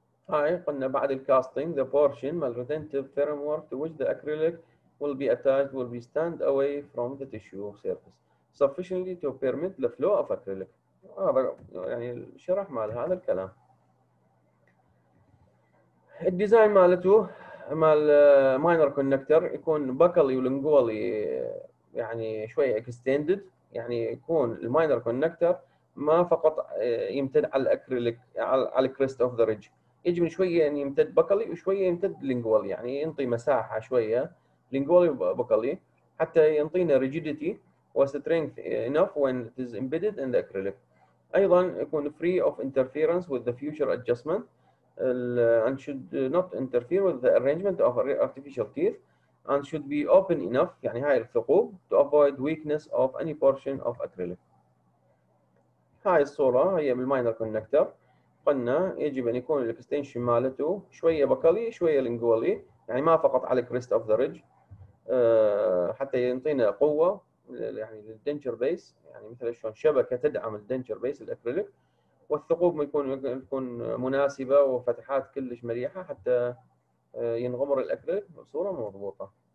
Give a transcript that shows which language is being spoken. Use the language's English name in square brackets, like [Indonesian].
[Arabic] هاي قلنا بعد الكاستنج [English] the portion مال retentive framework to which the acrylic will be attached will be stand away from the tissue surface sufficiently to permit the flow of acrylic. [Arabic] هذا يعني الشرح مال هذا الكلام. الديزاين مالته مال ماينر كونكتر يكون بكلي ولنجولي يعني شوي اكستندد، يعني يكون الماينر كونكتر ما فقط يمتد على الاكريليك على الكريست اوف ذا ريدج، يجب شويه يعني يمتد بكلي وشويه يمتد لنجولي، يعني ينطي مساحه شويه لنجولي وبكلي حتى ينطينا [English] Rigidity وسترينث enough when it's embedded in the acrylic. ايضا يكون free of interference with the future adjustment and should not interfere with the arrangement of artificial teeth and should be open enough [Arabic] يعني هاي الثقوب [English] to avoid weakness of any portion of acrylic. [Arabic] هاي الصورة هي بالماينر كونكتر، قلنا يجب ان يكون الاكستنشن مالته شوية بكالي شوية لنجولي، يعني ما فقط على كريست اوف ذا ريدج حتى ينطينا قوة يعني للدنتشر بيس، يعني مثل شلون شبكة تدعم الدنتشر بيس الاكريليك، والثقوب يكون مناسبه وفتحات كلش مريحه حتى ينغمر الاكريليك بصوره مضبوطه.